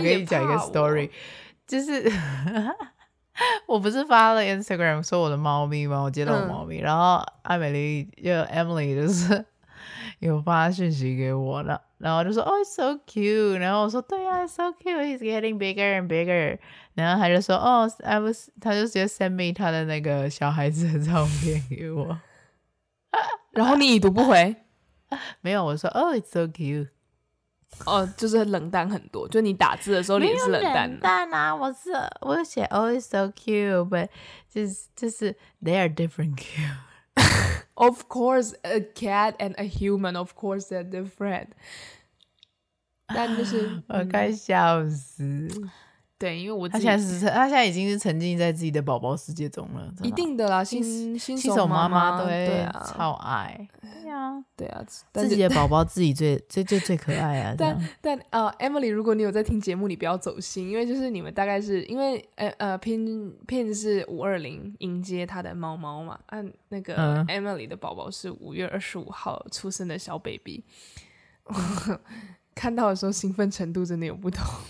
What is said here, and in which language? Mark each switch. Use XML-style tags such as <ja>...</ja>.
<zh>我，因为我跟你讲一个 story， 就是我不是发了 Instagram 说我的猫咪吗，我接到我猫咪、嗯、然后艾美丽就 Emily 就是有发讯息给我，然后就说</zh> <en>Oh it's so cute，</en> <zh>然后我说对啊</zh> <en>so cute he's getting bigger and bigger，</en> <zh>然后他就说</zh> <en>Oh I was，</en> <zh>他就直接</zh> <en>send me</en> <zh>他的那个小孩子的照片给我。然后你已读不回？没有，我说</zh> <en>Oh it's so cute。</en> <zh>哦，就是冷淡很多，就你打字的时候脸是冷淡的。没有冷淡啊，我写</zh> <en>Oh it's so cute， but 就是 they are different cute。 Of course a cat and a human of course they're different，</en> <zh>但就是我快笑死。对，因为我自己他现在已经是沉浸在自己的宝宝世界中了，一定的啦，新手妈妈对啊，超爱，对啊，对啊，自己的宝宝自己最可爱啊。但Emily， 如果你有在听节目，你不要走心，因为就是你们大概是因为Pin 是520迎接他的猫猫嘛，那个 Emily 的宝宝是5月25号出生的小 baby， 看到的时候兴奋程度真的有不同。</zh>